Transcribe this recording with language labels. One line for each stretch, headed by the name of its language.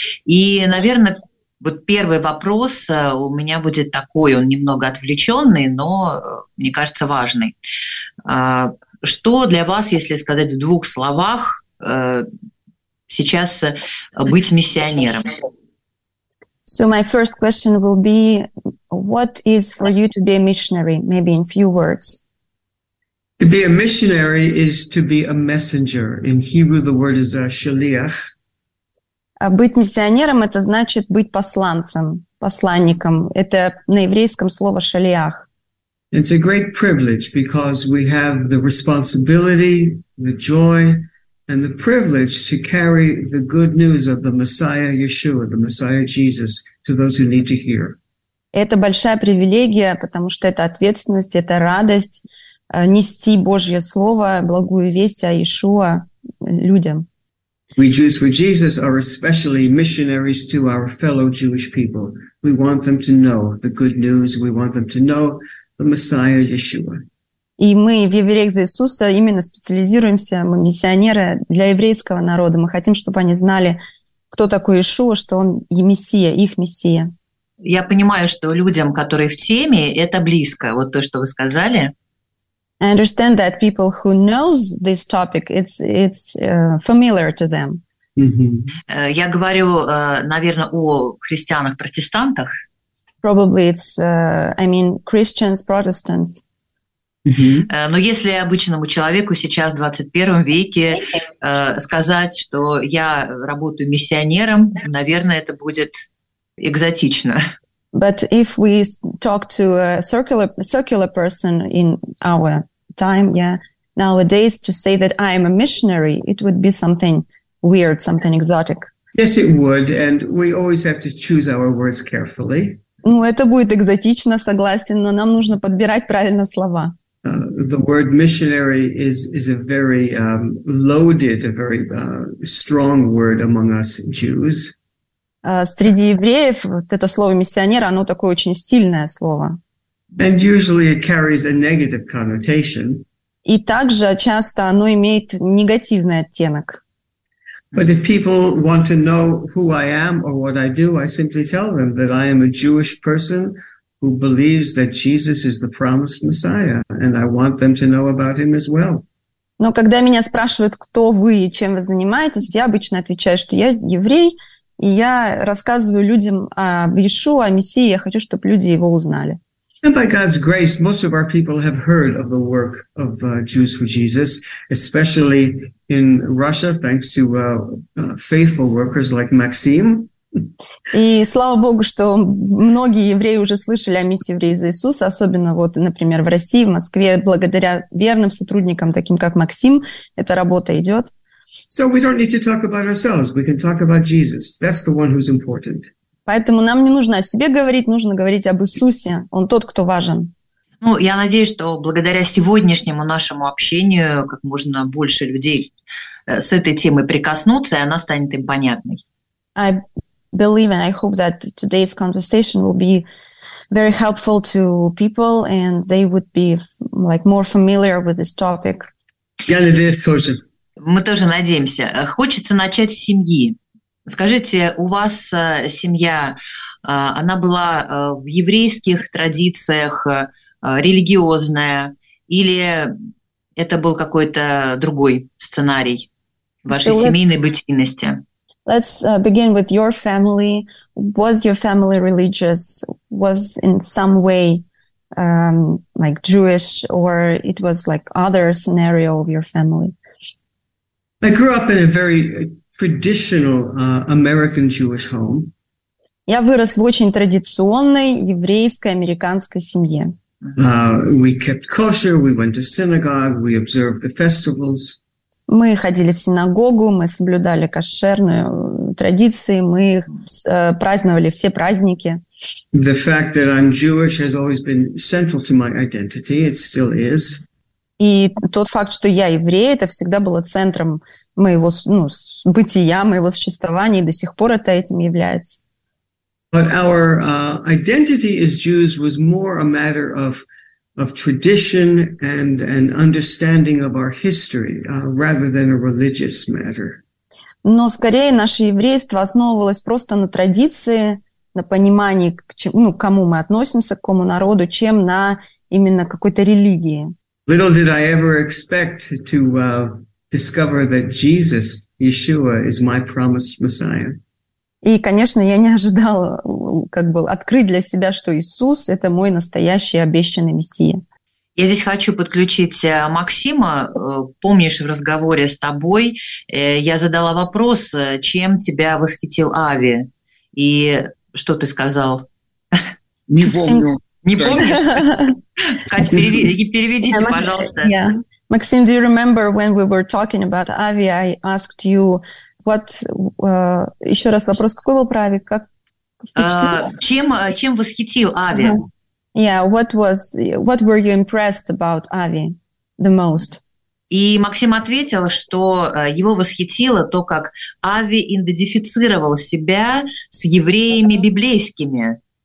Russian: И, наверное, вот первый вопрос у меня будет такой, он немного отвлеченный, но, мне кажется, важный. Что для вас, если сказать в двух словах, сейчас быть миссионером?
English: So my first question will be, what is for you to be a missionary, maybe in few words? To be a missionary is to be a messenger. In Hebrew the word is shaliach.
Russian: Быть миссионером – это значит быть посланцем, посланником. Это на еврейском слово «шалиах».
English: It's a great privilege because we have the responsibility, the joy, and the privilege to carry the good news of the Messiah Yeshua, the Messiah Jesus, to those who need to hear.
Russian: Это большая привилегия, потому что это ответственность, это радость нести Божье Слово, благую весть о Иешуа людям.
English: We Jews for Jesus are especially missionaries to our fellow Jewish people. We want them to know the good news. We want them to know the Messiah Yeshua.
Russian: И мы в «Евреях за Иисуса» именно специализируемся, мы миссионеры для еврейского народа. Мы хотим, чтобы они знали, кто такой Иешуа, что он и Мессия, их Мессия. Я понимаю, что людям, которые в теме, это близко, вот то, что вы сказали.
English: I understand that people who knows this topic, it's familiar to them.
Russian: Я говорю, наверное, о христианах-протестантах.
English: Probably it's, I mean, Christians, Protestants.
Russian: Но если обычному человеку сейчас, в 21 веке, сказать, что я работаю миссионером, наверное, это будет экзотично.
English: But if we talk to a secular person in our time, yeah, nowadays, to say that I am a missionary, it would be something weird, something exotic. Yes, it would, and we always have to choose our words carefully.
Russian: Ну, это будет экзотично, согласен, но нам нужно подбирать правильно слова.
English: The word missionary is a very loaded, a very strong word among us Jews.
Russian: Среди евреев вот это слово «миссионер», оно такое очень сильное слово.
English: And usually it carries a negative connotation.
Russian: И также часто оно имеет негативный оттенок.
English: But if people want to know who I am or what I do, I simply tell them that I am a Jewish person who who believes that Jesus is the promised Messiah, and I want them to know about him as well.
Russian: Но когда меня спрашивают, кто вы и чем вы занимаетесь, я обычно отвечаю, что я еврей, и я рассказываю людям об Иешуа, о Мессии, я хочу, чтобы люди его узнали.
English: And by God's grace, most of our people have heard of the work of Jews for Jesus, especially in Russia, thanks to faithful workers like Maxim.
Russian: И слава Богу, что многие евреи уже слышали о миссии евреев за Иисуса, особенно вот, например, в России, в Москве, благодаря верным сотрудникам, таким как Максим, эта работа идет.
English: So we don't need to talk about ourselves, we can talk about Jesus. That's the one who's important.
Russian: Поэтому нам не нужно о себе говорить, нужно говорить об Иисусе. Он тот, кто важен. Ну, я надеюсь, что благодаря сегодняшнему нашему общению как можно больше людей с этой темой прикоснутся, и она станет им понятной.
English: Believe and I hope that today's conversation will be very helpful to people and they would be like more familiar with this topic.
Russian: Я надеюсь тоже. Мы тоже надеемся. Хочется начать с семьи. Скажите, у вас семья, она была в еврейских традициях религиозная или это был какой-то другой сценарий вашей семейной бытийности?
English: Let's begin with your family. Was your family religious? Was in some way like Jewish, or it was like other scenario of your family? I grew up in a very traditional American Jewish home.
Russian: Я вырос в очень традиционной еврейской американской семье.
English: We kept kosher. We went to synagogue. We observed the festivals.
Russian: Мы ходили в синагогу, мы соблюдали кошерную традиции, мы праздновали все праздники.
English: The fact that I'm Jewish has always been central to my identity, it still is.
Russian: И тот факт, что я еврей, это всегда было центром моего, ну, бытия, моего существования, и до сих пор это этим является.
English: But our identity as Jews was more a matter of tradition and an understanding of our history, rather than a religious matter.
Russian: Но скорее наше еврейство основывалось просто на традиции, на понимании, к чему, ну, к кому мы относимся, к какому народу, чем на именно какой-то религии.
English: Little did I ever expect to discover that Jesus, Yeshua, is my promised Messiah.
Russian: И, конечно, я не ожидал, как бы, открыть для себя, что Иисус – это мой настоящий обещанный Мессия. Я здесь хочу подключить Максима. Помнишь, в разговоре с тобой я задала вопрос, чем тебя восхитил Ави? И что ты сказал? Не помню. Не помнишь? Катя, переведите, пожалуйста.
English: Максим, do you remember when we were talking about Ави, I asked you,
Russian: вот еще раз вопрос, какой был праве? Как чем восхитил Ави?
English: Yeah, what were you impressed about Avi the most?
Russian: И Максим ответил, что его восхитило то, как Ави идентифицировал себя с евреями библейскими.